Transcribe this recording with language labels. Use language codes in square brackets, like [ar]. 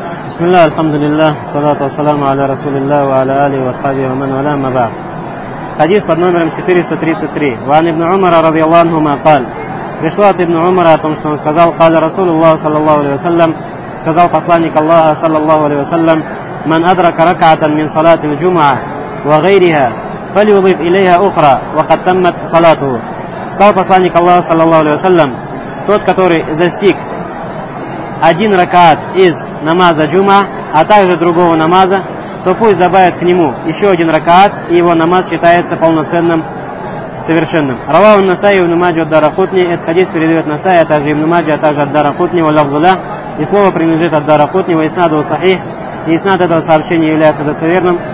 [ar] بسم الله الحمد لله والصلاة والسلام على رسول الله وعلى آله وصحبه ومن والاه ما بعد. [ru] حديث под номером 433. [ar] وعن ابن عمر رضي الله عنهما قال [ru] пришло от ابن عمر о том, что он сказал [ar] قال رسول الله صلى الله عليه وسلم [ru] сказал посланник Аллаха [ar] صلى الله عليه وسلم من أدرك ركعة من صلاة الجمعة وغيرها فليضيف إليها أخرى وقد تمت صلاته. [ru] Сказал посланник Аллаха [ar] صلى الله عليه وسلم [ru] тот, который застиг один ракаат из намаза джума, а также другого намаза, то пусть добавят к нему еще один ракаат, и его намаз считается полноценным, совершенным. Раваху Ан-Насаи ибн Маджа ад-Дарахутни, этот хадис передает Насаи, а также ибн Маджа, а также ад-Дарахутни, валявзулях, и слово принадлежит ад-Дарахутни, ва иснаду сахих, и иснад этого сообщения является достоверным.